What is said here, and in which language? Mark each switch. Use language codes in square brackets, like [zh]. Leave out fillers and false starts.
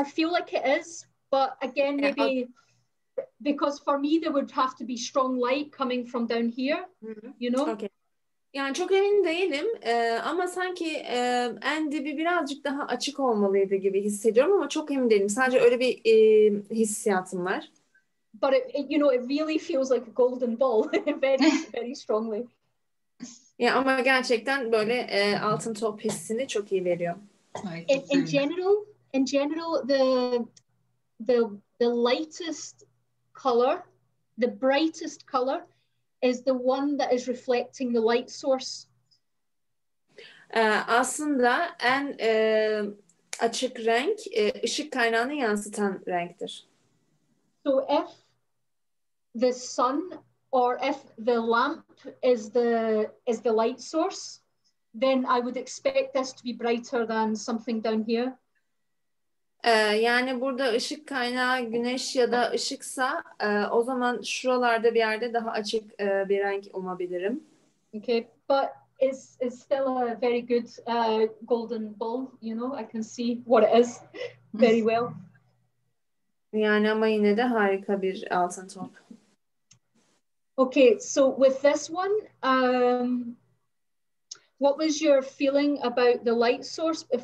[en] I feel like it is, but again, maybe because for me there would have to be strong light coming from down here, mm-hmm. you know. Okay. [tr] Yani çok emin değilim ama sanki en dibi birazcık daha açık olmalıydı gibi hissediyorum ama çok emin değilim. Sadece öyle bir hissiyatım var. [en] But it, you know, it really feels like a golden ball very, very strongly. [tr] Ya ama gerçekten böyle altın top hissini çok iyi veriyor. [en] In general, the lightest color, the brightest color, is the one that is reflecting the light source. [tr] Aslında en açık renk ışık kaynağını yansıtan renktir. [en] So if the sun or if the lamp is the light source, then I would expect this to be brighter than something down here. [tr] Yani burada ışık kaynağı güneş ya da ışıksa o zaman şuralarda bir yerde daha açık bir renk umabilirim. [en] Okay, but it's still a very good golden ball, you know, I can see what it is very well. [tr] Yani ama yine de harika bir altın top. [en] Okay, so with this one, what was your feeling about the light source?